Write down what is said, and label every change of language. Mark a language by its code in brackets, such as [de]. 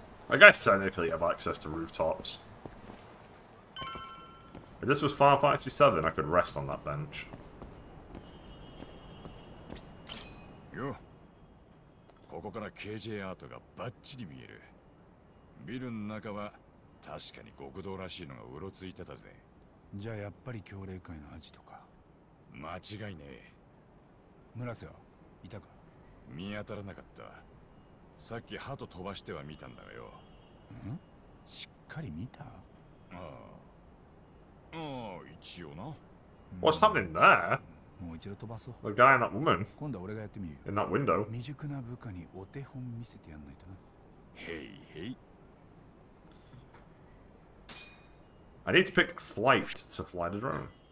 [en] I guess technically you have access to rooftops. If this was Final Fantasy VII, I could rest on that bench. Yo. [ja] ここから KJ アートがバッチリ見える。ビルの中は確かに極道らしいのがうろついてたぜ。じゃあやっぱり強霊界のアジトか。間違いねえ。村瀬はいたか？見当たらなかった。さっき鳩飛ばしては見たんだがよ。ん？しっかり見た？ああ、一応な。 [en] What's happening there? [ja] もう一度飛ばそう。 [en] The guy and that woman. [ja] 今度は俺がやってみるよ。 [en] In that window. [ja] 未熟な部下にお手本見せてやんないとな。 [en] Hey, hey. I need to pick flight to fly the drone.